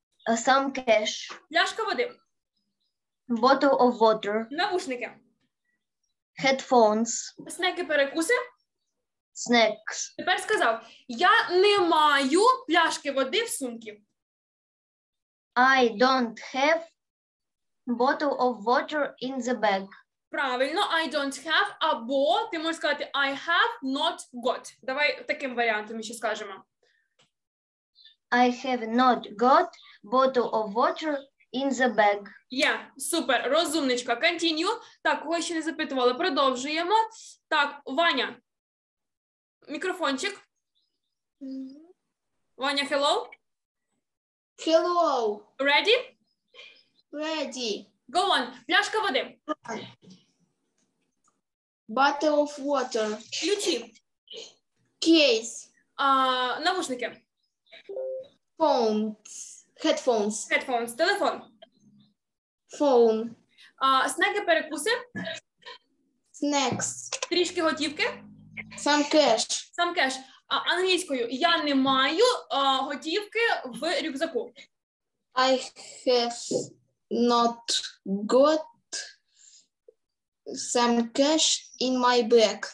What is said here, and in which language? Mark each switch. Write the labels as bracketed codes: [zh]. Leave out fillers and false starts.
[en] Some cash. [uk] Пляшка води. [en] Bottle of water. [uk] Навушники. [en] Headphones. [uk] Снеки, перекуси. [en] Snacks. [uk] Тепер сказав, я не маю пляшки води в сумці. [en] I don't have bottle of water in the bag. [uk] Правильно, [en] I don't have, [uk] або ти можеш сказати [en] I have not got. [uk] Давай таким варіантом ще скажемо. [en] I have not got bottle of water in the bag. Yeah, [uk] супер, розумничка. [en] Continue. [uk] Так, кого ще не запитували, продовжуємо. Так, Ваня, мікрофончик. [en] Ваня, hello. Hello. Ready? Ready. Go on, [uk] пляшка води. [en] Bottle of water. [uk] Ключі. [en] Case. [uk] Навушники. [en] Phones. Headphones. Headphones. [uk] Телефон. [en] Phone. [uk] Снеки, перекуси. [en] Snacks. [uk] Трішки готівки. [en] Some cash. Some cash. [uk] Англійською. Я не маю готівки в рюкзаку. [en] I have not got some cash in my bag.